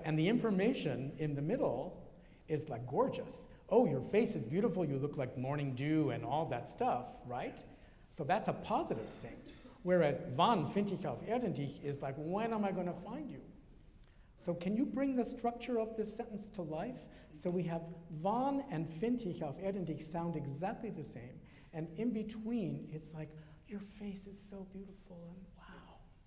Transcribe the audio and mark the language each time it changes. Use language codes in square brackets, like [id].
[en] And the information in the middle is like gorgeous. Oh, your face is beautiful. You look like morning dew and all that stuff, right? So that's a positive thing. Whereas, [de] wann finde ich auf Erden dich [en] is like, when am I going to find you? So can you bring the structure of this sentence to life? So we have wann and [de] finde ich auf Erden dich [en] sound exactly the same. And in between, it's like, your face is so beautiful and wow.